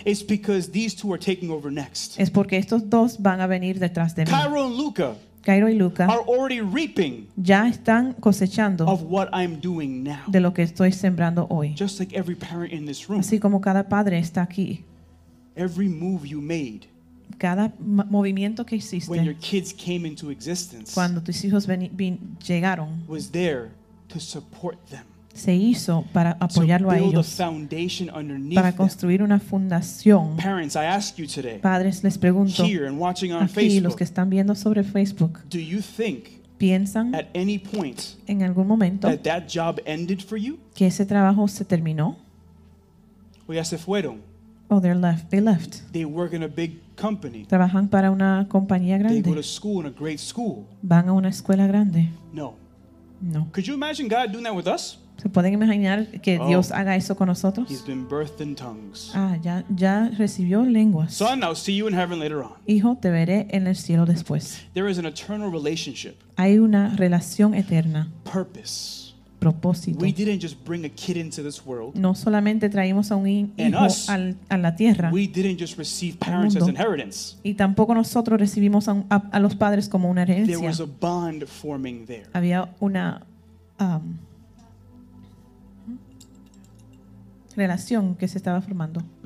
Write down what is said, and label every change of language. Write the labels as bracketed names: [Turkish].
[English] is because these two are taking over next. [Spanish] Es porque estos dos van a venir detrás de mí. [English] Cairo and Luca, [Spanish] Cairo y Luca, [English] are already reaping, [Spanish] ya están cosechando, [English] of what I'm doing now, [Spanish] de lo que estoy sembrando hoy. [English] Just like every parent in this room, [Spanish] así como cada padre está aquí. [English] Every move you made, [Spanish] cada movimiento que hiciste, [English] when your kids came into existence, [Spanish] cuando tus hijos llegaron, [English] was there to support them. [Spanish] Se hizo para apoyarlo a ellos, para construir una fundación. [English] Parents, I ask you today, [Spanish] padres, les pregunto [English] here and watching on [Spanish] aquí, [English] Facebook, [Spanish] los que están viendo sobre Facebook, [English] do you think, [Spanish] ¿piensan [English] at any point, [Spanish] en algún momento [English] that job ended for you? [Spanish] Que ese trabajo se terminó? O ya se fueron. [English] Oh, they're left. They left. They work in a big company. [Spanish] Trabajan para una compañía grande. [English] They go to school in a great school. [Spanish] Van a una escuela grande. [English] No. [Spanish] No. [English] Could you imagine God doing that with us? [Spanish] ¿Se pueden imaginar que Dios haga eso con nosotros? [English] He's been birthed in tongues. [Spanish] Ah, ya recibió lenguas. [English] Son, I'll see you in heaven later on. [Spanish] Hijo, te veré en el cielo después. [English] There is an eternal relationship. [Spanish] Hay una relación eterna. [English] Purpose. [Spanish] Propósito. [English] We didn't just bring a kid into this world. [Spanish] No solamente traímos a un hijo a la tierra. [English] We didn't just receive parents as inheritance. [Spanish] Y tampoco nosotros recibimos a los padres como una herencia. [English] There was a bond forming there. [Spanish] Había una relación que se estaba formando.